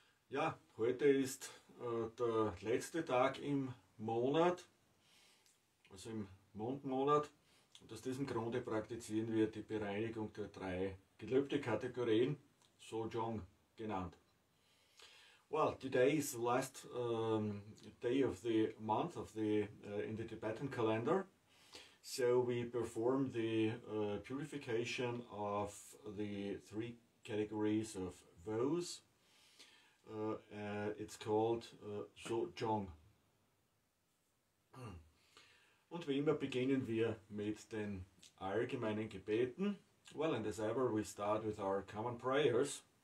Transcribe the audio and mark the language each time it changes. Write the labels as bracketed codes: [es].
[de] Ja, heute ist der letzte Tag im Monat, also im Mondmonat. Und aus diesem Grunde praktizieren wir die Bereinigung der drei Gelübdekategorien, Sojong genannt. [en] Well, today is the last day of the month of the in the Tibetan calendar. So we perform the purification of the three categories of vows. It's called Sojong. [de] Und wie immer beginnen wir mit den allgemeinen Gebeten. [en] Well, and as ever, we start with our common prayers.